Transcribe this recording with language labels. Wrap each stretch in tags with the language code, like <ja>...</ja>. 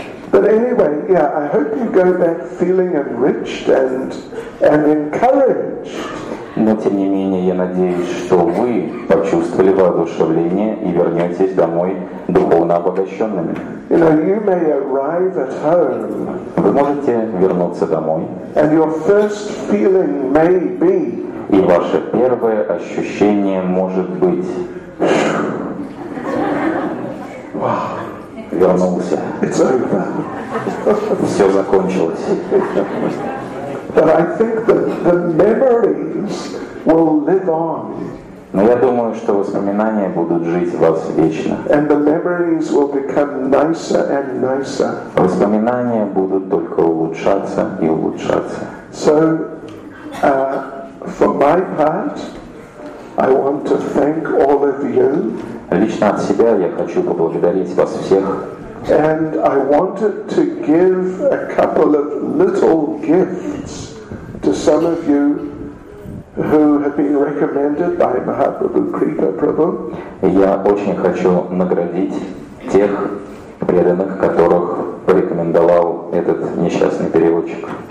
<en>But anyway, yeah, I hope you go back feeling enriched and encouraged.</en> <ru>Но тем не менее, я надеюсь, что вы почувствовали воодушевление и вернетесь домой духовно обогащенными.</ru> <en>You know, you may arrive at home,</en> <ru>вы можете вернуться домой.</ru> <en>And your first feeling may be,</en> <ru>и ваше первое ощущение может быть...</ru> <en>Wow.</en> <ru>Вернулся.</ru> <en>It's over.</en> <ru>Все закончилось.</ru> <en>But I think that the memories will live on.</en> <ru>Но я думаю, что воспоминания будут жить в вас вечно.</ru> <en>And the memories will become nicer and nicer.</en> <ru>Воспоминания будут только улучшаться и улучшаться.</ru> <en>So, for my part, I want to thank all of you.</en> <ru>Лично от себя я хочу поблагодарить вас всех.</ru> <en>And I wanted to give a couple of little gifts to some of you who have been recommended by Mahaprabhu Kripa Prabhu.</en> <ru>Я очень хочу наградить тех преданных, которых порекомендовал этот несчастный переводчик.</ru>